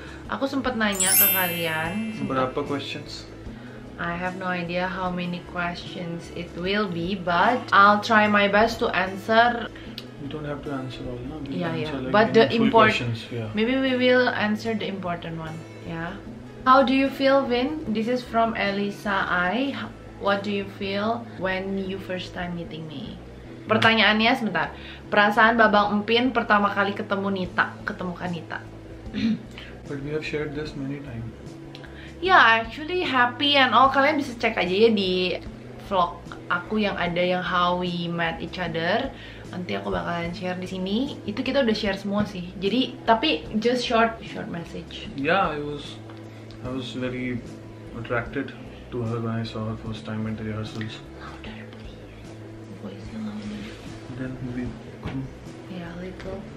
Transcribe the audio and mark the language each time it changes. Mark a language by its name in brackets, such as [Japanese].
[Indonesian] Aku sempat nanya ke kalian. Berapa questions? [English] I have no idea how many questions it will be, but I'll try my best to answer. You don't have to answer all, no? Yeah. Like but the important questions, yeah. Maybe we will answer the important one. Yeah. How do you feel, Vin? This is from Elisa I. What do you feel when you first time meeting me? [Indonesian] Pertanyaannya sebentar. Perasaan Babang Empin pertama kali ketemu Nita, ketemukan Nita. [English] But we have shared this many times. Yeah, actually happy and all. [Indonesian] Kalian bisa cek aja ya di vlog aku yang ada yang [English] how we met each other. [Indonesian] Nanti aku bakalan share di sini. Itu kita udah share semua sih. Jadi tapi [English] just short message. Yeah, I was very attracted to her when I saw her first time at the rehearsals. Louder, please. Voice louder. Then we come. Yeah, little.